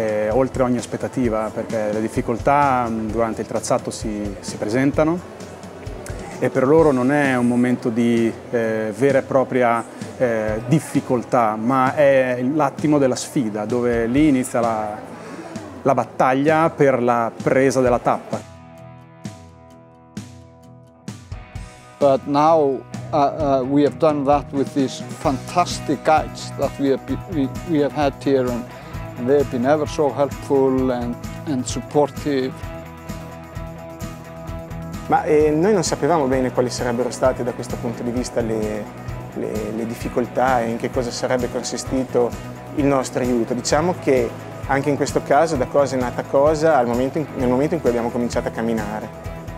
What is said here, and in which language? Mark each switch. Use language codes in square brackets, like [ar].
[it] Oltre ogni aspettativa, perché le difficoltà durante il tracciato si presentano e per loro non è un momento di vera e propria difficoltà, ma è l'attimo della sfida, dove lì inizia la battaglia per la presa della tappa. [en] But now we have done that with these fantastic guides that we have had here, and they've been ever so helpful and supportive. [it] Ma noi non sapevamo bene quali sarebbero state da questo punto di vista le difficoltà e in che cosa sarebbe consistito il nostro aiuto. Diciamo che anche in questo caso da cosa è nata cosa nel momento in cui abbiamo cominciato a camminare.